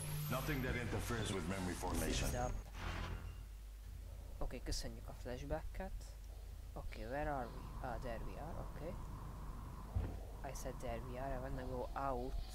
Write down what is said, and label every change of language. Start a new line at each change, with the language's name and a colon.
English: Nothing that interferes with memory formation.
Hungarian: Oké, köszönjük a flashbacket.
English: Oké, where are we? Ah, there we are, oké. I said there we are, I wanna go out.